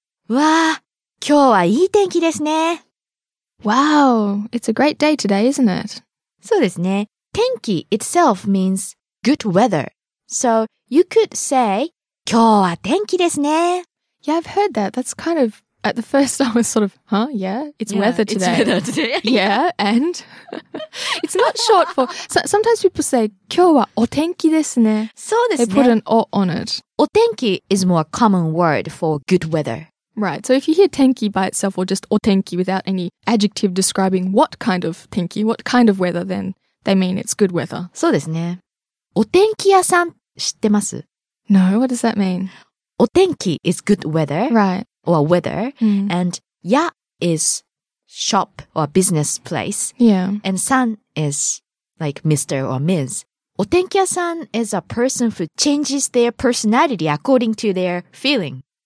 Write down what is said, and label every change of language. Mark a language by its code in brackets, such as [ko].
[ja] わあ、今日はいい天気ですね。 [en] Wow, it's a great day today, isn't it? [ja] そうですね。 [en] 天気 itself means good weather. So, you could say, [ja] 今日は天気ですね。 [en] Yeah, I've heard that. That's kind of... At the first, I was sort of, huh, yeah, it's weather today. It's weather today. yeah, and it's not short for, so, sometimes people say, [ja] 今日はお天気ですね. そうですね. [en] They put an お on it. お天気 is more common word for good weather. Right, so if you hear 天気 by itself or just お天気without any adjective describing what kind of 天気, what kind of weather, then they mean it's good weather. [ja] そうですね. お天気屋さん知ってます? [en] No, what does that mean? お天気 is good weather. Right. Or weather,、and ya is shop or business place. Yeah. And san is like Mr. or Ms. Otenkiya-san is a person who changes their personality according to their feeling.